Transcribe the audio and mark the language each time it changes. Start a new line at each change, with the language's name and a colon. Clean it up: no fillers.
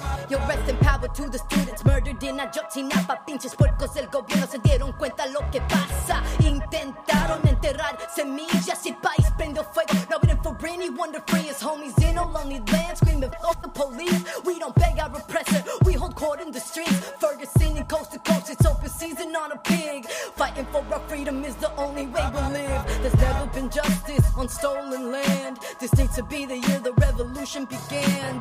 English: Yo, rest in power to the students murdered in Ayotzinapa.
Spanish: Pinches puercos del gobierno se dieron cuenta lo que pasa. Intentaron enterrar semillas y el país prendió fuego.
English: No waiting for anyone to free his homies in a lonely land. Screaming fuck the police. We don't beg our oppressor. We hold court in the streets. Ferguson and coast to coast. It's open season on a pig. Fighting for our freedom is the only way we'll live. There's never been justice on stolen land. This needs to be the year the revolution began.